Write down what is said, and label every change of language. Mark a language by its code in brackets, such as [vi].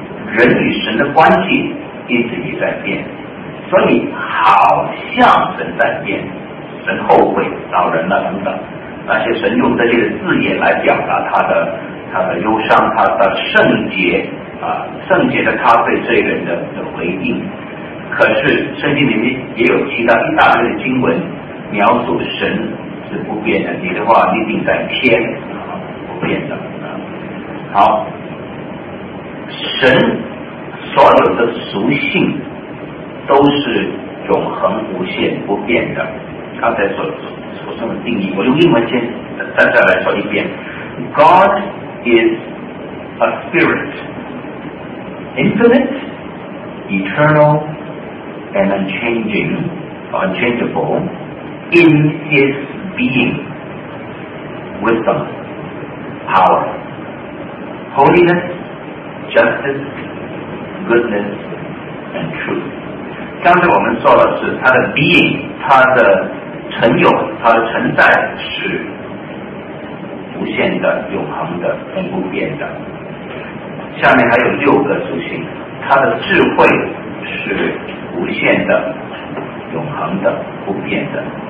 [zh] 人与神的关系因此也在变，所以好像神在变，神后悔恼人了等等，那些神用这些字眼来表达他的忧伤，他的圣洁啊，圣洁的他对罪人的回应，可是圣经里面也有提到一大堆的经文描述神是不变的，你的话一定在天不变的。好，神所有的属性都是永恒无限不变的，刚才所说的定义我用英文先再来说一遍， [en] God is a spirit, infinite, eternal and unchanging, unchangeable in his being, wisdom, power, holiness, justice, goodness, and truth. [zh] 刚才我们说的是他的 being, 他的存有，他的存在是无限的、永恒的、永不变的。下面还有六个属性，他的智慧是无限的、永恒的、不变的。